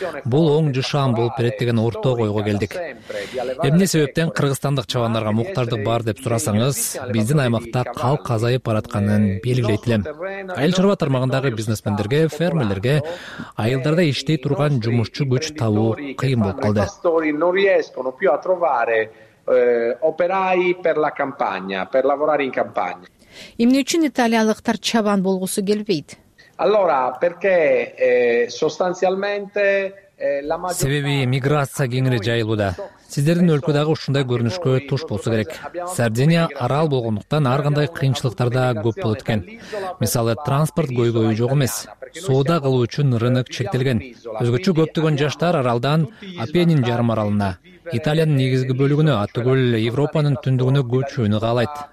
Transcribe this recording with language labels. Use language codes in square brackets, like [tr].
[ky] Бул оң жышаан болуп берет деген орто койго келдик. Эмне себептен кыргызстандык чабандарга муктаждык бар деп сурасаңыз, биздин аймакта калк азайып баратканын белгилейт элем. Айыл чарба тармагындагы бизнесмендерге, фермерлерге айылдарда иштей турган жумушчу күч табуу кыйын болуп калды. [it] Trovare operai per la campagna, per lavorare in campagna. [ky] Эмне үчүн италиялыктар чабан болгусу келбейт? [it] Allora, perché sostanzialmente la maggior [ky] себеби миграция кеңири жайылууда. Сиздердин өлкөдөгү ушундай көрүнүшкө туш болсо керек. Сардиния арал болгондуктан ар кандай кыйынчылыктар да көп болот экен. Мисалы, транспорт көйгөйү жок эмес. Соода кылуу үчүн рынок чектелген. Өзгөчө көптөгөн жаштар аралдан Апеннин жарым аралына, Италиянын негизги бөлүгүнө, атүгүл Европанын түндүгүнө көчүүнү каалайт.